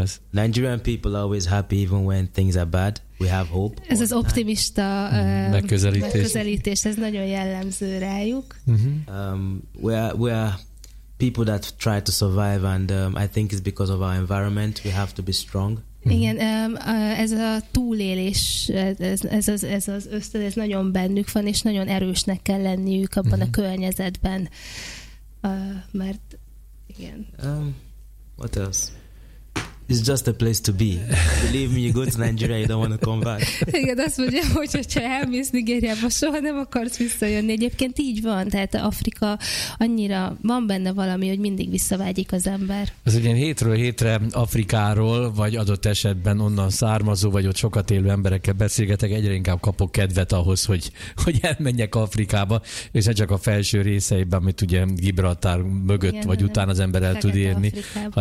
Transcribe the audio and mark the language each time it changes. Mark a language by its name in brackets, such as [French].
[English] Nigerian people are always happy even when things are bad. We have hope. [Hungarian] Ez az optimista megközelítés, ez nagyon jellemző rájuk. [English] We are people that try to survive, and I think it's because of our environment. We have to be strong. [Hungarian] Igen, ez a túlélés, ez az ösztön, ez nagyon bennük van, és nagyon erősnek kell lenniük abban a környezetben. Mert igen. [English] What else? It's just a place to be. Believe me, you go to Nigeria, you don't want to come back. [Hungarian] Igen, azt mondja, hogyha elmész Nigériába, soha nem akarsz visszajönni. Egyébként így van, tehát Afrika annyira, van benne valami, hogy mindig visszavágyik az ember. Az egy ilyen hétről hétre Afrikáról, vagy adott esetben onnan származó, vagy ott sokat élő emberekkel beszélgetek, egyre inkább kapok kedvet ahhoz, hogy elmenjek Afrikába, és ne csak a felső részeiben, amit ugye Gibraltár mögött, igen, vagy után az ember el tud érni, Afrikába.